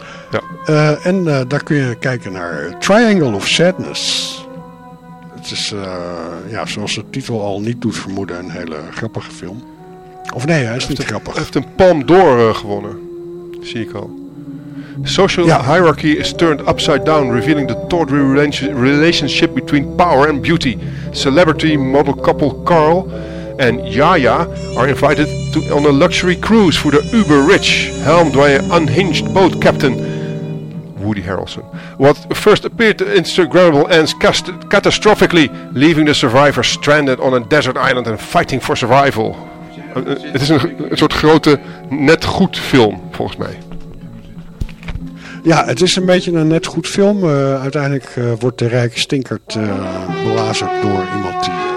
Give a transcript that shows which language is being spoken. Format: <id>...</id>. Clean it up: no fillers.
<nl>Ja. En daar kun je kijken naar Triangle of Sadness. Het is, zoals de titel al niet doet vermoeden, een hele grappige film. Of nee, hij is niet grappig. Hij heeft een Palme d'Or gewonnen, zie ik al.</nl> <en>Social hierarchy is turned upside down, revealing the tawdry relationship between power and beauty. Celebrity model couple Carl and Yaya are invited to on a luxury cruise for the uber rich, helmed by an unhinged boat captain, Woody Harrelson. What first appeared Instagrammable ends catastrophically, leaving the survivors stranded on a desert island and fighting for survival.</en> <nl>Het is een soort grote net goed film, volgens mij. Ja, het is een beetje een net goed film. Uiteindelijk wordt de rijke stinkert belazerd door iemand die...</nl>